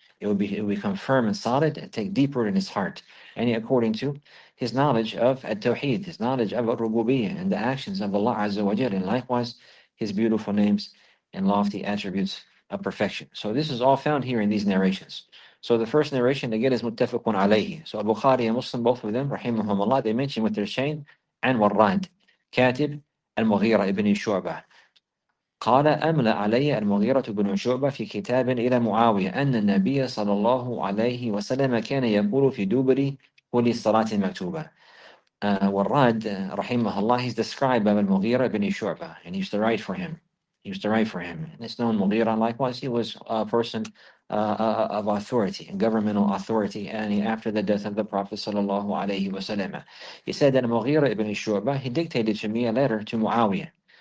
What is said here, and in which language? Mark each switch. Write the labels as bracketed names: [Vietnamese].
[English] It will become firm and solid and take deep root in his heart. And according to his knowledge of al-tawheed, his knowledge of al-rububiyyah and the actions of Allah Azza wa Jal, and likewise His beautiful names and lofty attributes of perfection. So this is all found here in these narrations. So the first narration, again, is muttafaqun alayhi. So Bukhari and Muslim, both of them, rahimahum Allah, they mention with their chain, and warrad, katib al-Mughira ibn Shu'bah. [Arabic] قال أملى علي المغيرة بن شعبة في كتاب إلى معاوية أن النبي صلى الله عليه وسلم كان يقول في دبر كل صلاة مكتوبة. والراد رحمه الله, [English] he's described by المغيرة بن شعبة, and he used to write for him. He used to write for him. And it's known Mughira, likewise, he was a person of authority, governmental authority, and after the death of the Prophet صلى الله عليه وسلم. He said that المغيرة بن شعبة, he dictated to me a letter to Muawiyah.